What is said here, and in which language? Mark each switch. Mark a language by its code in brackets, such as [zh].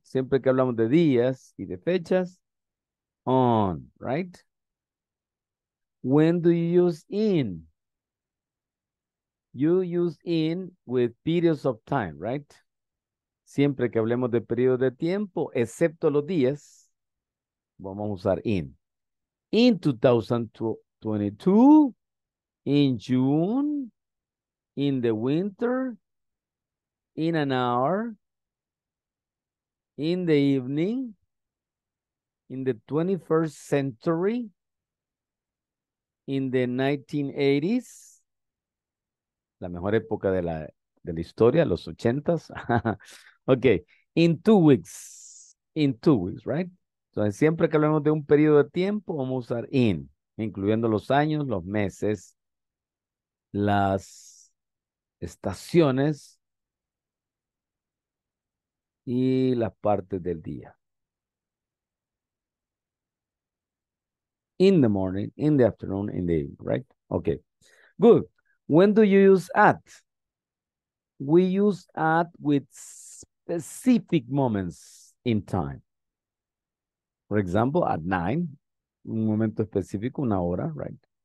[es] Siempre que hablamos de días y de fechas, on, right? [en] When do you use in? You use in with periods of time, right? [es] Siempre que hablemos de periodo de tiempo, excepto los días, vamos a usar in. [en] In 2022, in June, in the winter, in an hour, in the evening, in the 21st century, in the 1980s, [es] la mejor época de la historia, [en] los 80s. Okay, in two weeks, right? [es] Entonces, siempre que hablemos de un periodo de tiempo, vamos a usar in, incluyendo los años, los meses, las estaciones y las partes del día. [en] In the morning, in the afternoon, in the evening, right? Okay, good. When do you use at? We use at with specific moments in time. For example, at 9, [es] un momento específico, una hora, [en] right?